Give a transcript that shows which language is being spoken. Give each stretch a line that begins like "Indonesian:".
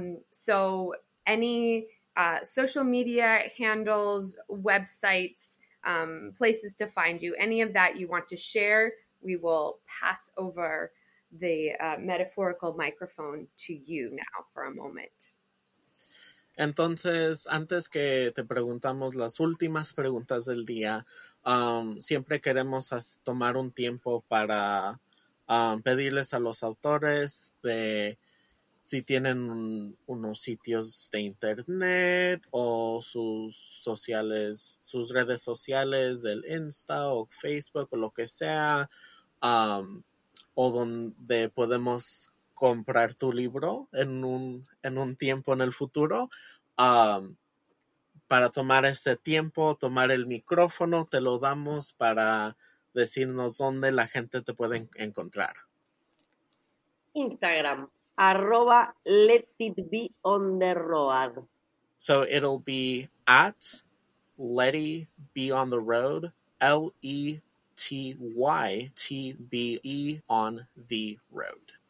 English: So any social media handles, websites, places to find you, any of that you want to share, we will pass over the metaphorical microphone to you now for a moment.
Spanish: Entonces, antes que te preguntamos las últimas preguntas del día, siempre queremos tomar un tiempo para pedirles a los autores de si tienen unos sitios de internet o sus sociales, sus redes sociales del Insta o Facebook o lo que sea, o donde podemos comprar tu libro en un tiempo en el futuro. Para tomar este tiempo, tomar el micrófono, te lo damos para decirnos dónde la gente te puede encontrar. Instagram, arroba let it be on the road.
English: So it'll be at Letty Be On The Road, LETYTBE On The Road.